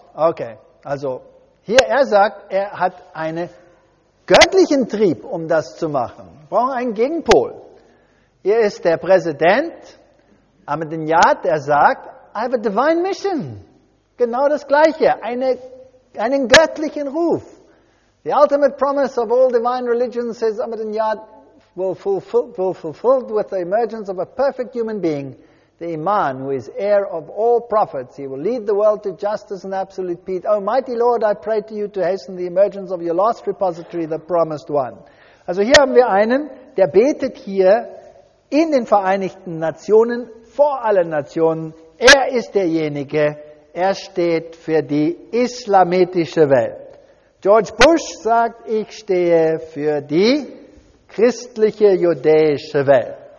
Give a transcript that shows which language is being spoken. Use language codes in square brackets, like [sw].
[de] Okay, also hier, er sagt, er hat einen göttlichen Trieb, um das zu machen. Wir brauchen einen Gegenpol. Hier ist der Präsident Ahmadinejad, der sagt, [en] I have a divine mission. [de] Genau das Gleiche, einen göttlichen Ruf. [en] The ultimate promise of all divine religions, says Ahmadinejad, will fulfilled with the emergence of a perfect human being, the Iman, who is heir of all prophets. He will lead the world to justice and absolute peace. Oh, mighty Lord, I pray to you to hasten the emergence of your last repository, the promised one. [de] Also hier haben wir einen, der betet hier in den Vereinigten Nationen, vor allen Nationen. Er ist derjenige, er steht für die islamitische Welt. George Bush sagt, ich stehe für die christliche jüdische Welt.